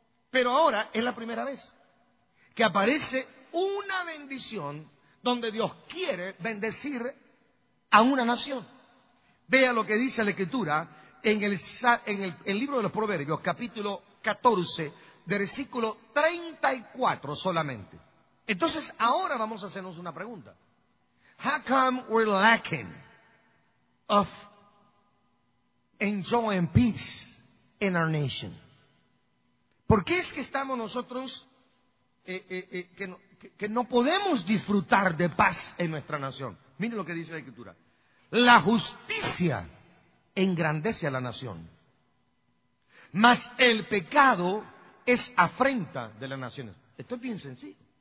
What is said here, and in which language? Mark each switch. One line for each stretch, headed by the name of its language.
Spanish: Pero ahora es la primera vez que aparece una bendición donde Dios quiere bendecir a una nación. Vea lo que dice la Escritura en el libro de los Proverbios, capítulo 14, versículo 34 solamente. Entonces, ahora vamos a hacernos una pregunta.
English: How come we're lacking of enjoying peace in our nation?
Spanish: ¿Por qué es que estamos nosotros que no podemos disfrutar de paz en nuestra nación? Mire lo que dice la Escritura. La justicia engrandece a la nación, mas el pecado es afrenta de las naciones. Esto es bien sencillo.